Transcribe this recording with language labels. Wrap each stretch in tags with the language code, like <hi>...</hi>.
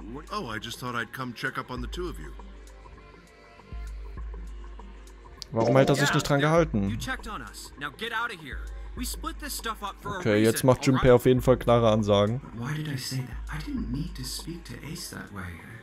<en>Oh, I just thought I'd come check up on the two of you.</en> <de>Warum hält er sich nicht dran gehalten? Okay, jetzt macht Junpei auf jeden Fall klare Ansagen.</de> <en>Why did I say that? I didn't need to speak to Ace that way.</en>